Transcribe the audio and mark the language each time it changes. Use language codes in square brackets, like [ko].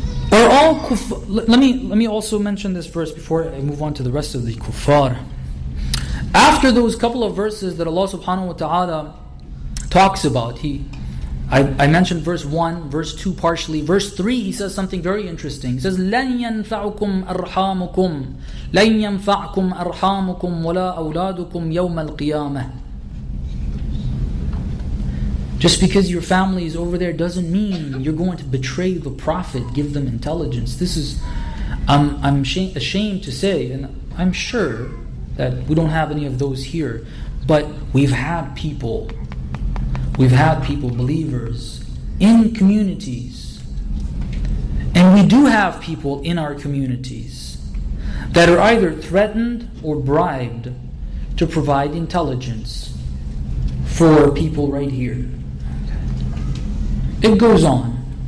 [en] Let me also mention this verse before I move on to the rest of the kuffar. After those couple of verses that Allah subhanahu wa ta'ala talks about, I mentioned verse 1, verse 2 partially. Verse 3, he says something very interesting. He says, [ar] لَن يَنْفَعُكُمْ أَرْحَامُكُمْ لَن يَنْفَعُكُمْ أَرْحَامُكُمْ وَلَا أَوْلَادُكُمْ يَوْمَ الْقِيَامَةِ. [en] Just because your family is over there doesn't mean you're going to betray the Prophet, give them intelligence. This is, I'm ashamed to say, and I'm sure that we don't have any of those here, but we've had people, believers in communities, and we do have people in our communities that are either threatened or bribed to provide intelligence for people right here. It goes on.